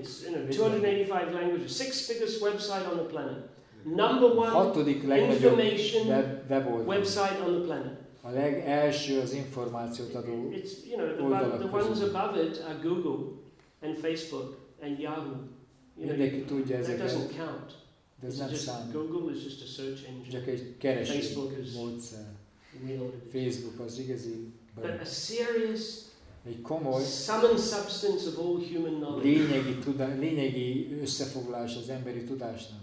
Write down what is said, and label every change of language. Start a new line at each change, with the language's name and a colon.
English: It's in 285 languages, 6th biggest website on the planet. Number 1 information website on the planet.
Hungarian: A legelső az információt adó oldalak között.
English: You know, the ones above it are Google and Facebook and Yahoo.
Hungarian: Mindenki tudja ezeket.
English: That doesn't count.
Hungarian: Ez nem számít.
English: Google is just a search engine.
Hungarian: Csak egy kereső módszer. Facebook az igazi.
English: But a serious,
Hungarian: egy komoly,
English: sum and substance of all human knowledge.
Hungarian: Lényegi összefoglalás az emberi tudásnak.